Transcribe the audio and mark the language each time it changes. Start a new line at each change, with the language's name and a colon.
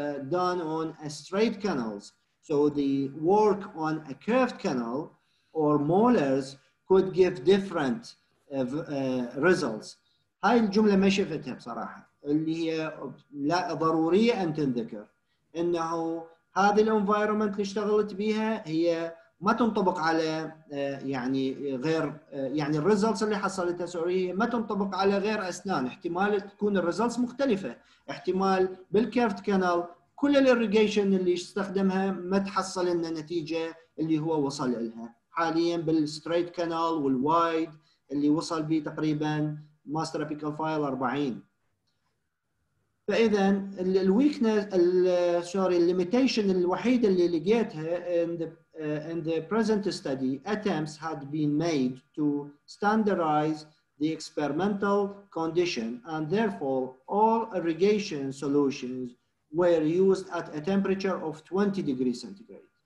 English: done on a straight canals, so the work on a curved canal or molars could give different results.
Arabic: هاي الجمله ما شفتها بصراحه، اللي هي لا ضروريه ان تنذكر انه هذه الانفايرمنت اللي اشتغلت بيها هي ما تنطبق على يعني غير يعني الريزلتس اللي حصلتها سوري هي ما تنطبق على غير اسنان، احتمال تكون الريزلتس مختلفه، احتمال بالكيرفت كانال كل الاريجيشن اللي استخدمها ما تحصل لنا نتيجه اللي هو وصل لها حاليا بالستريت كانال والوايد اللي وصل به تقريبا ماستر ابيكال فايل 40. فاذا الويكنس سوري الليميتيشن الوحيده اللي لقيتها
English: in the present study, attempts had been made to standardize the experimental condition, and therefore all irrigation solutions were used at a temperature of 20 degrees centigrade.